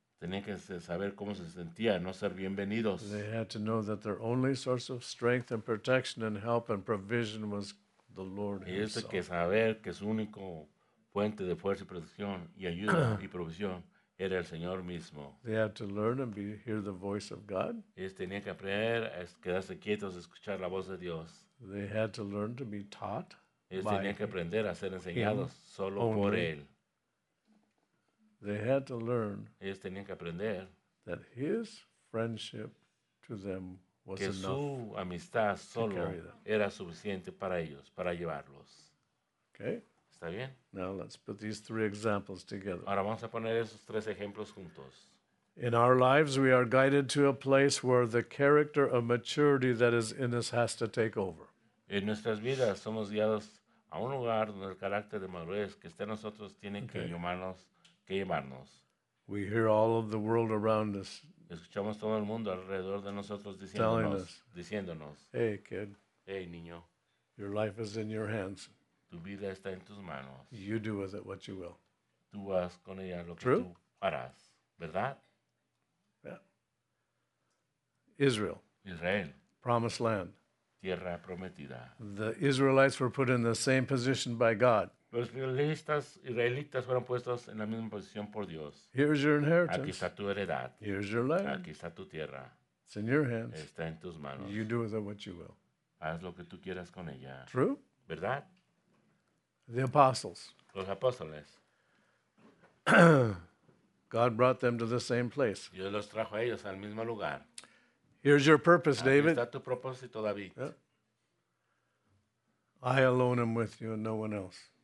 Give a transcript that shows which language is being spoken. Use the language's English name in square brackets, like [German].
[Spanish] Tenían que saber cómo se sentía no ser bienvenidos. [English] They had to know that their only source of strength and protection and help and provision was the Lord himself. [Spanish] Y eso que saber que su único fuente de fuerza y protección y ayuda y provisión era el Señor mismo. [English] They had to learn and hear the voice of God. [Spanish] Ellos tenían que aprender a quedarse quietos y escuchar la voz de Dios. [English] They had to learn to be taught. [Spanish] Ellos tenían que aprender a ser enseñados solo por Él. [English] They had to learn. [Spanish] Ellos tenían que aprender [English] that His friendship to them was enough. [Spanish] Que su amistad solo era suficiente para ellos, para llevarlos. [English] Okay. [Spanish] Está bien. [English] Now let's put these three examples together. [Spanish] Ahora vamos a poner esos tres ejemplos juntos. [English] In our lives, we are guided to a place where the character of maturity that is in us has to take over. [Spanish] En nuestras vidas somos guiados a un lugar donde el carácter de madurez que está en nosotros tiene que llamarnos, que llamarnos. [English] We hear all of the world around us. [Spanish] Escuchamos todo el mundo alrededor de nosotros diciéndonos, [English] hey kid, [Spanish] hey niño, [English] your life is in your hands. [Spanish] Tu vida está en tus manos. [English] You do with it what you will. [Spanish] Tú haz con ella lo que tú harás, ¿verdad? [English] Yeah. Israel. [Spanish] Israel. [English] Promised land. [Spanish] Tierra prometida. [English] The Israelites were put in the same position by God. [Spanish] Los israelitas fueron puestos en la misma posición por Dios. [English] Here's your inheritance. [Spanish] Aquí está tu heredad. [English] Here's your land. [Spanish] Aquí está tu tierra. [English] It's in your hands. [Spanish] Está en tus manos. [English] You do with it what you will. [Spanish] Haz lo que tú quieras con ella. [English] True. [Spanish] ¿Verdad? [English] The apostles. [Spanish] Los apóstoles. [English] God brought them to the same place. [Spanish] Dios los trajo a ellos al mismo lugar. [English] Here's your purpose, David. [Spanish] Está tu propósito, David. [English] Yeah. I alone am with you and no one else.